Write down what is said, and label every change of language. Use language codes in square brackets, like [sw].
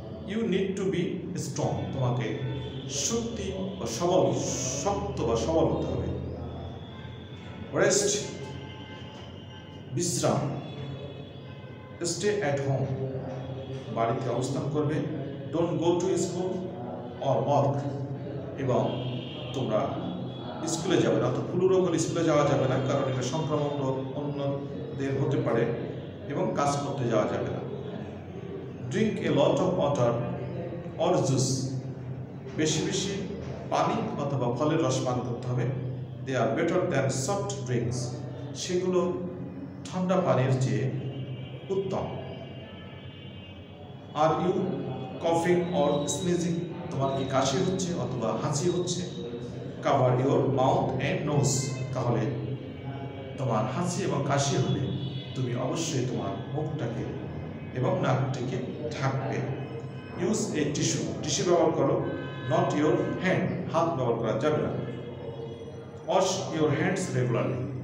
[en] you need to be strong, [bn] তোমাকে শক্তি বা সবল শক্ত বা সবল হতে হবে। রেস্ট, বিশ্রাম। [en] stay at home, [bn] বাড়িতে অবস্থান করবে। [en] don't go to school or work. [bn] এবং তোমরা স্কুলে যাবে না, তো ফুলুর ওখানে স্কুলে যাওয়া যাবে না, কারণ এটা সংক্রমণ রোগ অন্যদের হতে পারে এবং কাজ করতে যাওয়া যাবে না। [en] Drink a lot of water or juice. [bn] বেশি বেশি পানি অথবা ফলের রস পান করতে হবে। [en] They are better than soft drinks. [bn] সেগুলো ঠান্ডা পানির চেয়ে উত্তম। [en] Are you coughing or sneezing? [bn] তোমার কি কাশি হচ্ছে অথবা হাঁচি হচ্ছে? [en] Cover your mouth and nose. [bn] তাহলে তোমার হাঁচি এবং কাশি হলে তুমি অবশ্যই তোমার মুখটাকে এবং নাকটিকে ঢাকবে। [en] Use a tissue. [bn] টিস্যু ব্যবহার করো, [en] not your hand. [bn] হাত ব্যবহার করা যাবে না। [en] Wash your hands regularly.